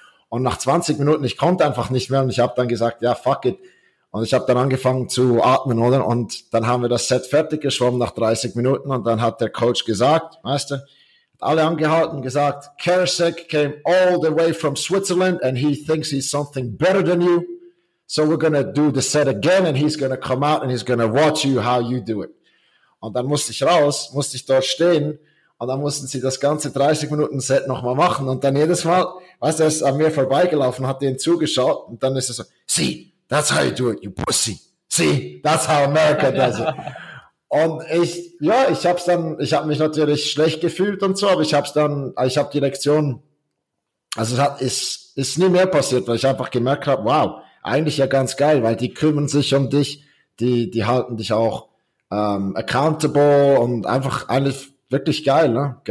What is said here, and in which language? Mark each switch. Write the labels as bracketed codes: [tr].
[de] Und nach 20 Minuten, ich konnte einfach nicht mehr und ich habe dann gesagt, ja, [en] fuck it. [de] Und ich habe dann angefangen zu atmen, oder? Und dann haben wir das Set fertig geschwommen nach 30 Minuten und dann hat der Coach gesagt, weißt du, hat alle angehalten, gesagt, [en] Karasek came all the way from Switzerland and he thinks he's something better than you. So we're gonna do the set again and he's gonna come out and he's gonna watch you how you do it. [de] Und dann musste ich raus, musste ich dort stehen und dann mussten sie das ganze 30 Minuten Set nochmal machen und dann jedes Mal, weißt du, er ist an mir vorbeigelaufen, hat denen zugeschaut und dann ist er so, [en] see, that's how you do it, you pussy. See, that's how America does it. [de] Und ich, ja, ich hab's dann, ich hab mich natürlich schlecht gefühlt und so, aber ich hab's dann, ich hab die Lektion, also es hat, ist nie mehr passiert, weil ich einfach gemerkt habe, wow, eigentlich ja ganz geil, weil die kümmern sich um dich, die halten dich auch accountable und einfach eigentlich wirklich geil, ne?